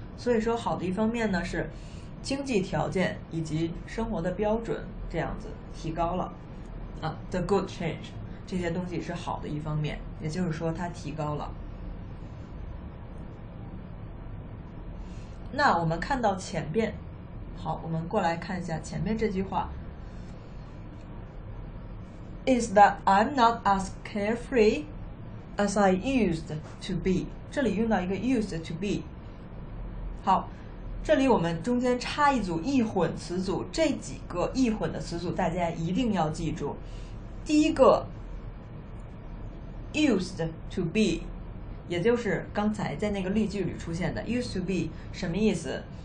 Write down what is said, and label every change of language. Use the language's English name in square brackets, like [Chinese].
[Chinese] 所以说好的一方面呢是经济条件以及生活的标准这样子提高了the good change， 这些东西是好的一方面，也就是说它提高了。那我们看到前面，好，我们过来看一下前面这句话。 [English] Is that I'm not as carefree as I used to be， [Chinese] 这里用到一个 [English] used to be。 [Chinese] 好，这里我们中间插一组易混词组，这几个易混的词组大家一定要记住。第一个 used to be， 也就是刚才在那个例句里出现的 used to be， 什么意思？